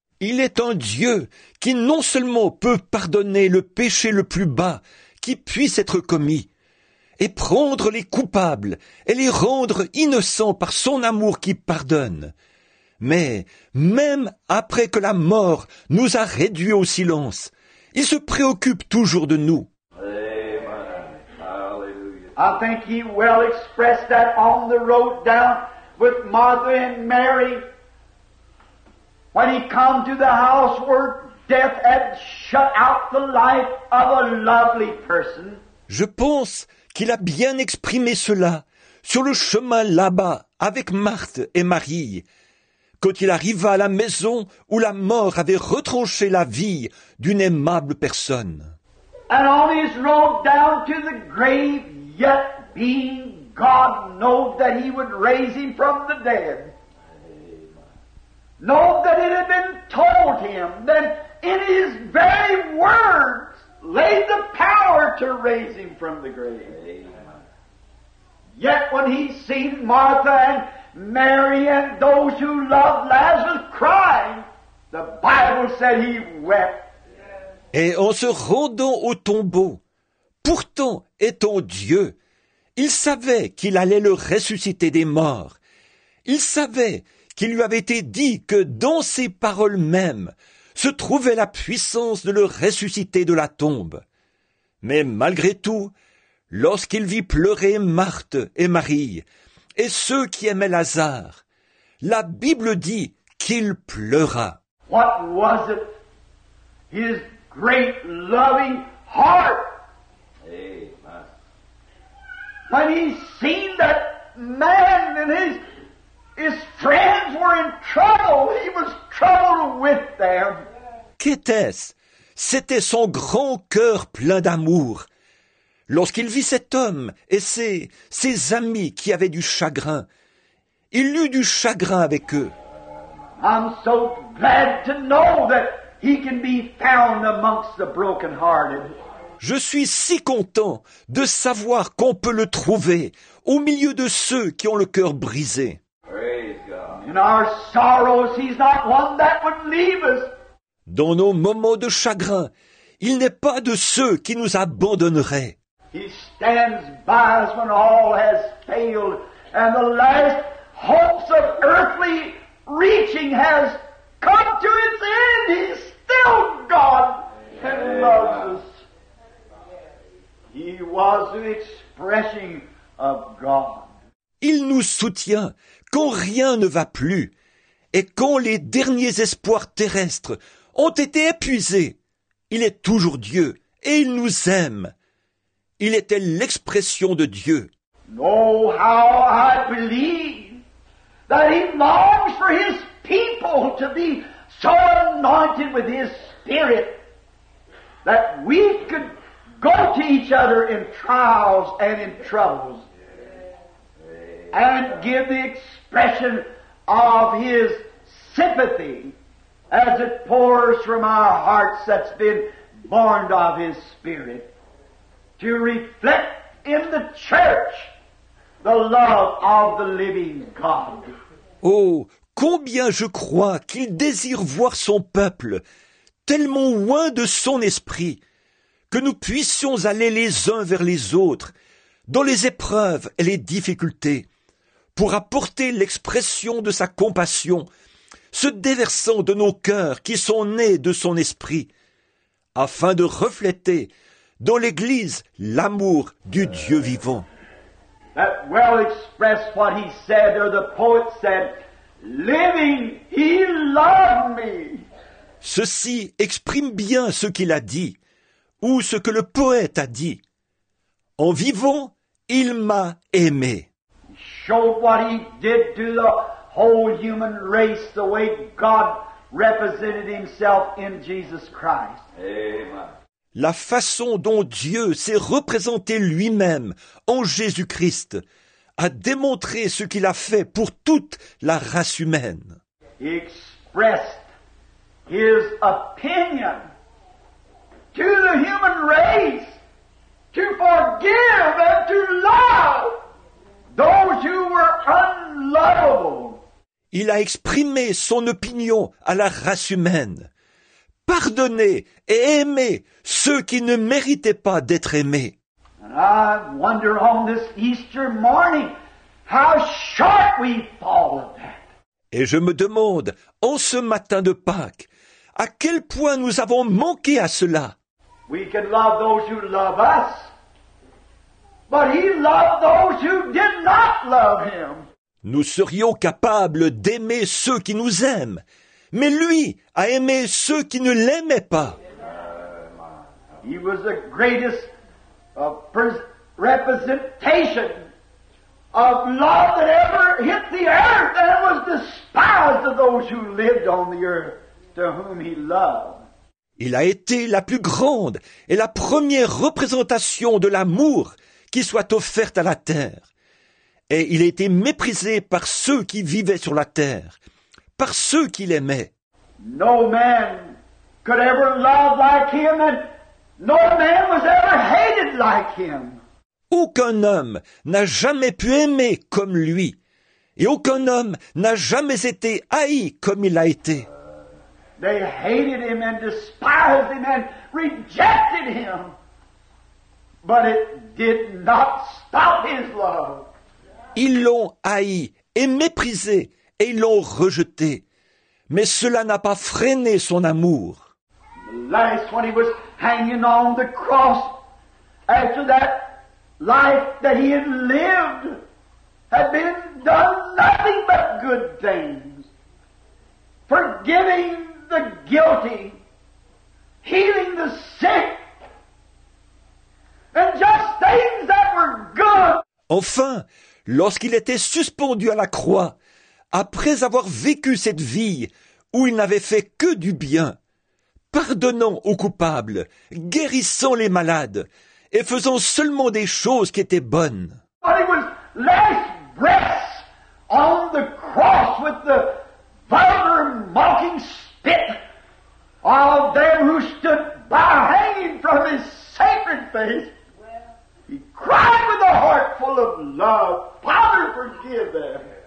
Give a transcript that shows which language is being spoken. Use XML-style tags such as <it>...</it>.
<fr>Il est un Dieu qui non seulement peut pardonner le péché le plus bas qui puisse être commis, et prendre les coupables et les rendre innocents par son amour qui pardonne. Mais même après que la mort nous a réduits au silence, il se préoccupe toujours de nous.</fr> <en>I think he well expressed that on the road down with Martha and Mary when he come to the house where death had shut out the life of a lovely person.</en> <fr>Je pense qu'il a bien exprimé cela sur le chemin là-bas avec Marthe et Marie, quand il arriva à la maison où la mort avait retranché la vie d'une aimable personne.</fr> <en>And on his road down to the grave, yet being God, know that he would raise him from the dead. Know that it had been told him that in his very words lay the power to raise him from the grave. Amen. Yet when he seen Martha and Mary and those who loved Lazarus crying, the Bible said he wept.</en> <fr>Et en se rendant au tombeau, pourtant étant Dieu, il savait qu'il allait le ressusciter des morts. Il savait qu'il lui avait été dit que dans ses paroles mêmes se trouvait la puissance de le ressusciter de la tombe. Mais malgré tout, lorsqu'il vit pleurer Marthe et Marie et ceux qui aimaient Lazare, la Bible dit qu'il pleura.</fr> <en>What was it? His great loving heart. When he seen that man and his friends were in trouble, he was troubled with them.</en> <fr>Qu'était-ce? C'était son grand cœur plein d'amour. lorsqu'il vit cet homme et ses amis qui avaient du chagrin, il eut du chagrin avec eux.</fr> <en>I'm so glad to know that he can be found amongst the brokenhearted.</en> <fr>Je suis si content de savoir qu'on peut le trouver au milieu de ceux qui ont le cœur brisé.</fr> <en>In our sorrows, he's not one that would leave us.</en> <fr>Dans nos moments de chagrin, il n'est pas de ceux qui nous abandonneraient.</fr> <en>He stands by us when all has failed and the last hopes of earthly reaching has come to its end. He's still God and loves us. He was the expression of God.</en> <fr>Il nous soutient quand rien ne va plus et quand les derniers espoirs terrestres ont été épuisés. Il est toujours Dieu et il nous aime. Il était l'expression de Dieu.</fr> <en>Oh, how I believe that he longs for his people to be so anointed with his spirit that we could go to each other in trials and in troubles and give the expression of his sympathy as it pours from our hearts that's been born of his spirit, to reflect in the church the love of the living God.</en> <fr>Oh, combien je crois qu'il désire voir son peuple tellement loin de son esprit que nous puissions aller les uns vers les autres dans les épreuves et les difficultés, pour apporter l'expression de sa compassion, se déversant de nos cœurs qui sont nés de son esprit, afin de refléter dans l'Église l'amour du Dieu vivant.</fr> <en>That well expressed what he said, or the poet said, living, he loved me.</en> <fr>Ceci exprime bien ce qu'il a dit, ou ce que le poète a dit. En vivant, il m'a aimé.</fr> <en>Showed what he did to the whole human race, the way God represented himself in Jesus Christ. Amen.</en> <fr>La façon dont Dieu s'est représenté lui-même en Jésus-Christ a démontré ce qu'il a fait pour toute la race humaine.</fr> <en>He expressed his opinion to the human race to forgive and to love. Those who were unlovable.</en> <fr>Il a exprimé son opinion à la race humaine. Pardonner et aimer ceux qui ne méritaient pas d'être aimés.</fr> <en>And I wonder on this Easter morning how short we fall of that.</en> <fr>Et je me demande en ce matin de Pâques à quel point nous avons manqué à cela.</fr> <en>We can love those who love us. But he loved those who did not love him.</en> <fr>Nous serions capables d'aimer ceux qui nous aiment, mais lui a aimé ceux qui ne l'aimaient pas.</fr> <en>He was the greatest of representation of love that ever hit the earth, and it was despised of those who lived on the earth to whom he loved.</en> <fr>Il a été la plus grande et la première représentation de l'amour qui soit offerte à la terre. Et il a été méprisé par ceux qui vivaient sur la terre, par ceux qu'il aimait.</fr> <en>No man could ever love like him, and no man was ever hated like him.</en> <fr>Aucun homme n'a jamais pu aimer comme lui, et aucun homme n'a jamais été haï comme il a été.</fr> <en>They hated him and despised him and rejected him. But it did not stop his love.</en> <fr>Ils l'ont haï et méprisé et ils l'ont rejeté. Mais cela n'a pas freiné son amour.</fr> <en>Last, when he was hanging on the cross, after that life that he had lived had been done nothing but good things, forgiving the guilty, healing the sick, and just things that were good.</en> <fr>Enfin, lorsqu'il était suspendu à la croix, après avoir vécu cette vie où il n'avait fait que du bien, pardonnant aux coupables, guérissant les malades et faisant seulement des choses qui étaient bonnes.</fr> <en>But he was last breath on the cross with the vulgar mocking spit of them who stood by hanging from his sacred face. He cried with a heart full of love, Father, forgive them.</en>